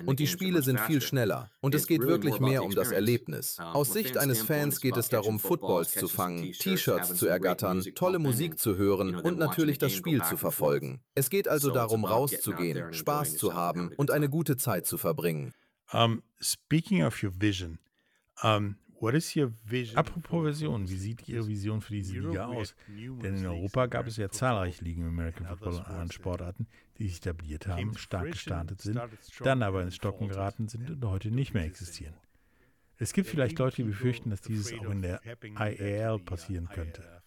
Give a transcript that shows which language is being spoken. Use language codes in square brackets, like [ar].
[de] Und die Spiele sind viel schneller. Und es geht wirklich mehr um das Erlebnis. Aus Sicht eines Fans geht es darum, Footballs zu fangen, T-Shirts zu ergattern, tolle Musik zu hören und natürlich das Spiel zu verfolgen. Es geht also darum, rauszugehen, Spaß zu haben und eine gute Zeit zu verbringen. [en] Speaking of your vision, what is your vision? [de] Apropos Vision, wie sieht Ihre Vision für diese Liga aus? Denn in Europa gab es ja zahlreiche Ligen im American Football und anderen Sportarten, die sich etabliert haben, stark gestartet sind, dann aber ins Stocken geraten sind und heute nicht mehr existieren. Es gibt vielleicht Leute, die befürchten, dass dieses auch in der IAL passieren könnte.